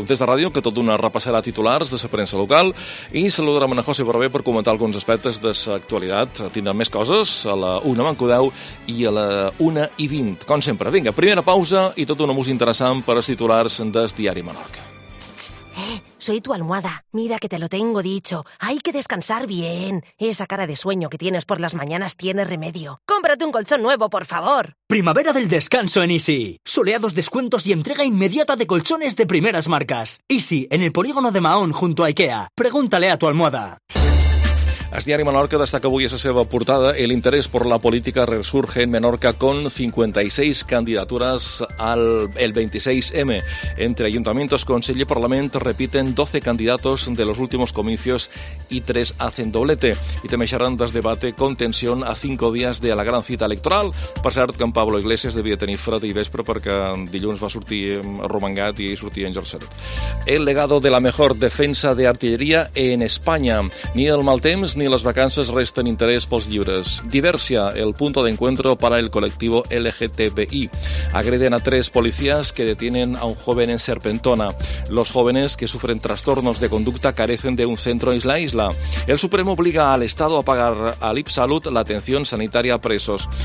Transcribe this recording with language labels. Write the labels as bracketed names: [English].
[Catalan] Un test de ràdio que tot d'una repassarà titulars de la premsa local i saludarem a na José Barber per comentar alguns aspectes de l'actualitat. Tindrem més coses a la 1 amb 10 i a la 1 i 20, com sempre. Vinga, primera pausa i tot una música interessant per als titulars del diari Menorca. [Spanish] Soy tu almohada. Mira que te lo tengo dicho. Hay que descansar bien. Esa cara de sueño que tienes por las mañanas tiene remedio. ¡Cómprate un colchón nuevo, por favor! Primavera del descanso en Easy. Soleados descuentos y entrega inmediata de colchones de primeras marcas. Easy, en el polígono de Mahón, junto a IKEA. Pregúntale a tu almohada. [Catalan] El diari Menorca destaca avui a la seva portada [Spanish] el interés por la política resurge en Menorca con 56 candidaturas al el 26M. Entre ayuntamientos, consell y parlament repiten 12 candidatos de los últimos comicios y 3 hacen doblete. Y [Catalan] també xerran des [Spanish] debate con tensión a 5 días de la gran cita electoral. [Catalan] Per cert, que en Pablo Iglesias devia tenir fred i vespre perquè dilluns va sortir arromangat i sortia en jersey. [Spanish] El legado de la mejor defensa de artillería en España. [Catalan] Ni el mal temps ni les vacances resten interès pels llibres. [Spanish] Diversia, el punto de encuentro para el colectivo LGTBI. Agreden a 3 policías que detienen a un joven en Serpentona. Los jóvenes que sufren trastornos de conducta carecen de un centro en la isla. El Supremo obliga al Estado a pagar a Lipsalud la atención sanitaria a presos.